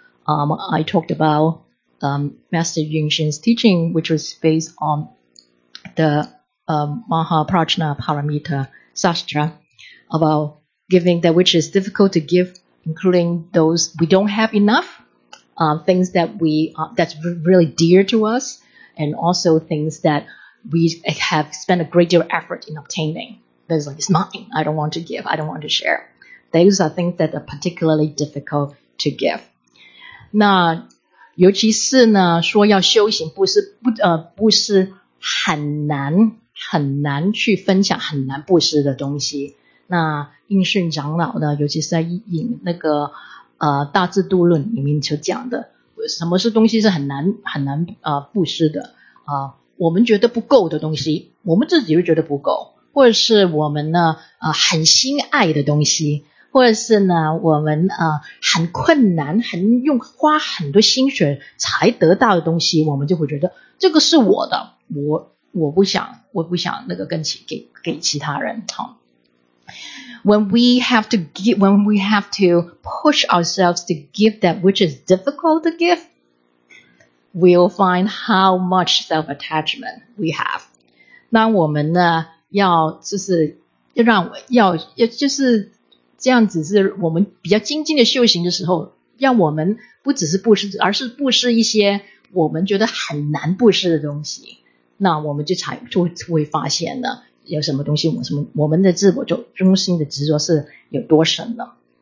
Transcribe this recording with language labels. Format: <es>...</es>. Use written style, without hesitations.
<en>I talked about Master Yunxin's teaching, which was based on the Mahaprajna Paramita Sastra, about giving that which is difficult to give, including those we don't have enough, things that we that's really dear to us, and also things that we have spent a great deal of effort in obtaining. That's like, it's mine, I don't want to give, I don't want to share. Those are things that are particularly difficult to give.</en> <zh>那尤其是呢，说要修行布施，不是很难很难去分享很难布施的东西。那应顺长老呢，尤其是在引那个大智度论里面就讲的，什么是东西是很难布施的啊？我们觉得不够的东西，我们自己就觉得不够，或者是我们呢很心爱的东西，或者是呢我们很困难，很用花很多心血才得到的东西，我们就会觉得这个是我的，我不想那个给其他人。</zh> <en>When we have to push ourselves to give that which is difficult to give, we'll find how much self-attachment we have.</en> <zh>那我们呢，要就是让要就是这样子，是我们比较精进的修行的时候，让我们不只是布施，而是布施一些我们觉得很难布施的东西，那我们就会发现呢，有什么东西我们的自我就中心的执着是有多深的。</zh>